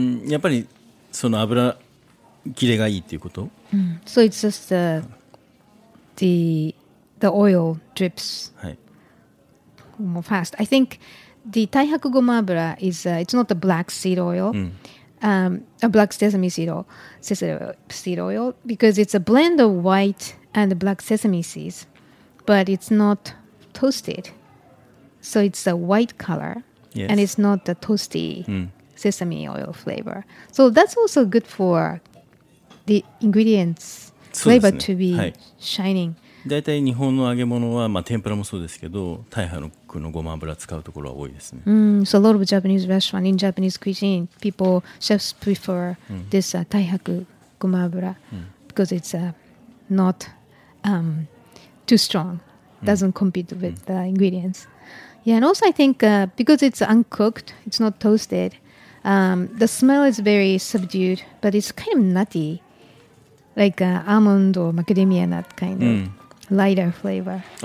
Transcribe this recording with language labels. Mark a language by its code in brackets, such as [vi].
[ja] やっぱりその油切れがいいっていうこと。 [en] So it's just the oil drips more fast. I think the Taihaku Gomabura is it's not the black seed oil, a black sesame seed oil, because it's a blend of white and black sesame seeds, but it's not toasted. So it's a white color, and it's not the toasty. Sesame oil flavor. So that's also good for the ingredients flavor to be shining. [ja] だいたい日本の揚げ物は、まあ、天ぷらもそうですけど、大半のごま油使うところは多いですね。 [en] So a lot of Japanese restaurant, in Japanese cuisine, people, chefs prefer this 大半ごま油 because it's not too strong. Doesn't compete with the ingredients. Yeah, and also I think because it's uncooked, it's not toasted,the smell is very subdued, but it's kind of nutty, like almond or macadamia nut kind of lighter flavor.